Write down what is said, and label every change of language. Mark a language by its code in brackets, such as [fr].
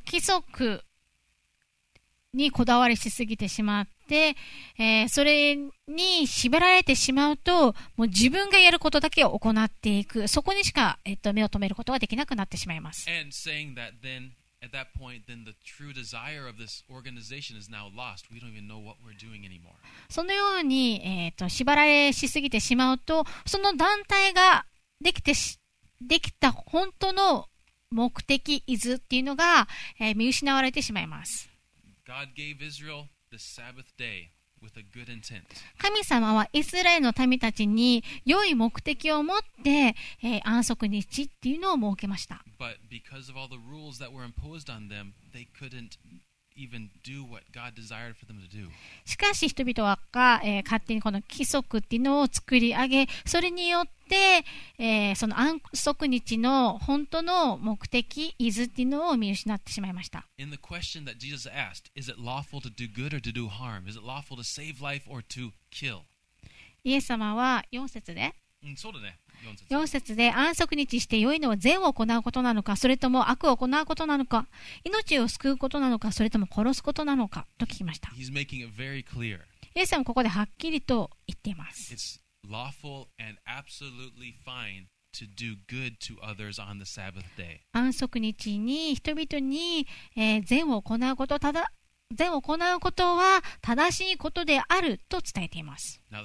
[ja] 規則にこだわりしすぎてしまって、それに縛られてしまうと、もう自分がやることだけを行っていく、そこにしか、目を留めることができなくなってしまいます。 [en] And saying that, then at that point, then the true desire of this organization is now lost. We don't even know what we're doing anymore. [ja] そのように、縛られしすぎてしまうと、その団体ができてし、できた本当の目的、伊豆っていうのが、見失われてしまいます。 [en] God gave Israel the Sabbath day with a good intent. [ja] 神様はイスラエルの民たちに良い目的を持って、安息日っていうのを設けました。 [en] But because of all the rules that were imposed on them, they couldn't even do what God desired for them to do. [ja] しかし人々は、勝手にこの規則っていうのを作り上げ、それによって、その安息日の本当の目的、意図っていうのを見失ってしまいました。 [en] In the question that Jesus asked, is it lawful to do good or to do harm? Is it lawful to save life or to kill? [ja] イエス様は4節で、そうだね。 4節で安息日して良いのは善を行うことなのか、それとも悪を行うことなのか、命を救うことなのか、それとも殺すことなのかと聞きました。 [en] He's making it very clear. [ja] イエス様ここではっきりと言っています。 [en] It's lawful and absolutely fine to do good to others on the Sabbath day. [ja] 安息日に人々に、善を行うこと、ただ善を行うことは正しいことであると伝えています。